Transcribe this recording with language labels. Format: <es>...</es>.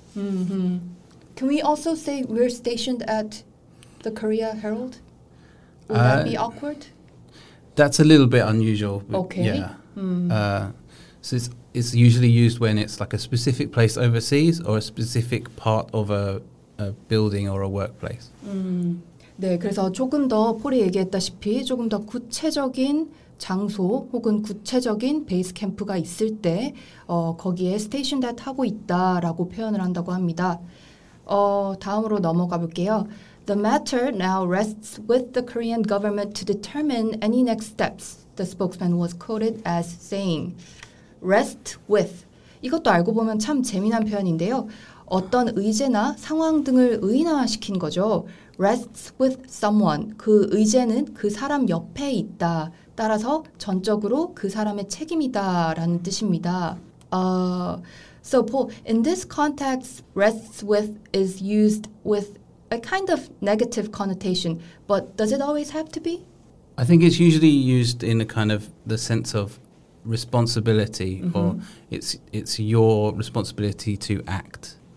<en>Can we also say we're stationed at the Korea Herald? Would that be awkward? That's a little bit unusual. Okay. Yeah. So it's usually used when it's like a specific place overseas or a specific part of a building or a workplace.</en> <ko>네, 그래서 조금 더 폴이 얘기했다시피 조금 더 구체적인 장소 혹은 구체적인 베이스 캠프가 있을 때 거기에 스테이션 댓 하고 있다라고 표현을 한다고 합니다. 다음으로 넘어가 볼게요.</ko> <en>The matter now rests with the Korean government to determine any next steps, the spokesman was quoted as saying. Rest with.</en> <ko>이것도 알고 보면 참 재미난 표현인데요. 어떤 의제나 상황 등을 의인화시킨 거죠.</ko> <en>Rests with someone.</en> <ko>그 의제는 그 사람 옆에 있다. 따라서 전적으로 그 사람의 책임이다 라는 뜻입니다.</ko> <en>So Paul, in this context, rests with is used with a kind of negative connotation. But does it always have to be? I think it's usually used in a kind of the sense of responsibility, mm-hmm. or it's your responsibility to act.</en>